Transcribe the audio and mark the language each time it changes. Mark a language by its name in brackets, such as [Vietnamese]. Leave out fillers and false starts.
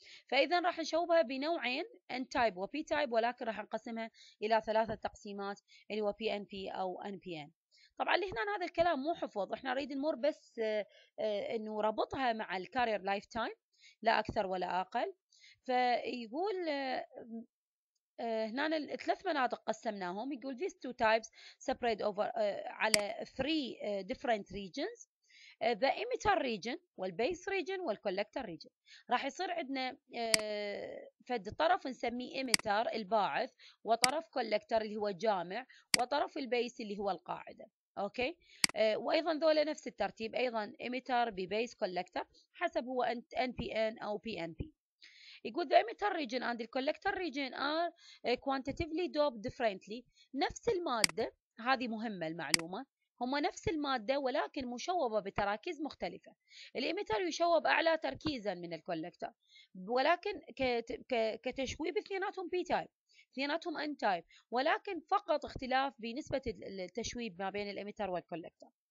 [Arabic] فإذا راح نشوبها بنوعين N تايب وP تايب, ولكن راح نقسمها إلى ثلاثة تقسيمات اللي هو PNP أو NPN. طبعا لهنا هذا الكلام مو حفظ, احنا نريد نمر بس انه ربطها مع الكارير لايف تايم لا اكثر ولا اقل. [English] فيقول هنا الثلاث مناطق قسمناهم, يقول these two types spread over على three different regions, the emitter region والbase region والcollector region. [Arabic] راح يصير عندنا فد طرف نسميه emitter الباعث, وطرف collector اللي هو الجامع, وطرف البيس اللي هو القاعدة. اوكي, وايضا ذولا نفس الترتيب, ايضا emitter ببيس collector حسب هو NPN او PNP. [English] يقول the emitter region and the collector region are quantitatively doped differently. [Arabic] نفس المادة, هذه مهمة المعلومة, هما نفس المادة ولكن مشوبة بتراكيز مختلفة. الإيميتر يشوب أعلى تركيزاً من الكولكتر, ولكن كتشويب اثنيناتهم بي تايب اثنيناتهم ان تايب, ولكن فقط اختلاف بنسبة التشويب ما بين الإيميتر والكولكتر.